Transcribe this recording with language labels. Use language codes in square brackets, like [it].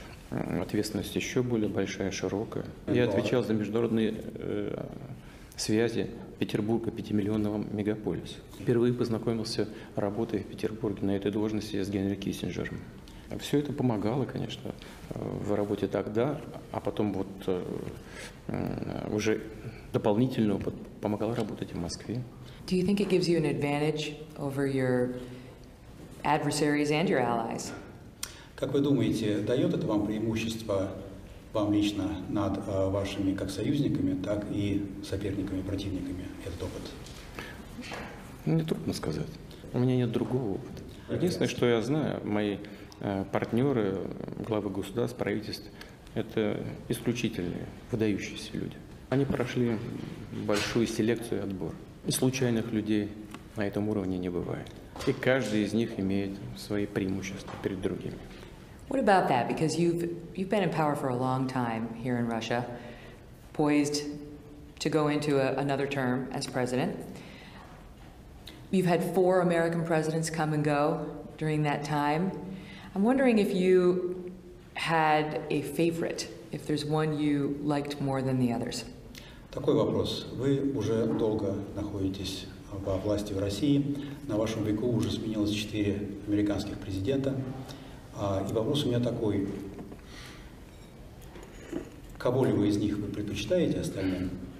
[ru] Ответственность еще более большая, широкая. Я отвечал за международные связи Петербурга, 5-миллионного мегаполиса. Впервые познакомился, работая в Петербурге на этой должности, с Генри Киссинджером. Все это помогало, конечно, в работе тогда, а потом вот уже дополнительный опыт помогал работать в Москве. [en] Do you think it gives you an advantage over your adversaries and your allies? [ru] Как вы думаете, дает это вам преимущество, вам лично, над вашими как союзниками, так и соперниками, противниками, этот опыт? Мне трудно сказать. У меня нет другого опыта. Единственное, что я знаю, мои партнеры, главы государств, правительств, это исключительные, выдающиеся люди. Они прошли большую селекцию и отбор. И случайных людей на этом уровне не бывает. И каждый из них имеет свои преимущества перед другими. [en] What about that? Because you've been in power for a long time here in Russia, poised to go into another term as president. You've had four American presidents come and go during that time. I'm wondering if you had a favorite, if there's one you liked more than the others. [ru] Такой вопрос. Вы уже долго находитесь во власти в России. На вашем веку уже сменилось 4 американских президента. И вопрос у меня такой, кого ли вы из них вы предпочитаете остальным?